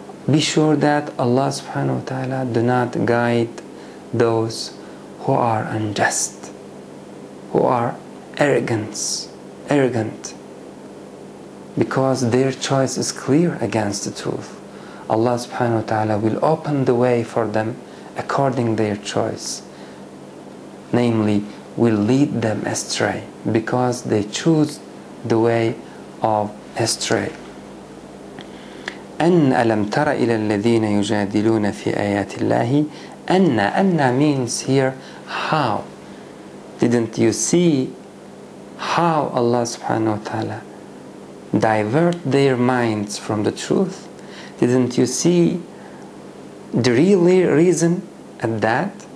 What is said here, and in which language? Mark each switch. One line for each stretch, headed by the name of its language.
English: Be sure that Allah subhanahu wa ta'ala do not guide those who are unjust, who are arrogant, because their choice is clear against the truth. Allah subhanahu wa ta'ala will open the way for them according their choice, namely will lead them astray because they choose the way of astray.
Arabic: أن ألم تر إلى الذين يجادلون في آيات الله.
English: أن means here how. Didn't you see how Allah subhanahu wa ta'ala divert their minds from the truth? Didn't you see the real reason at that?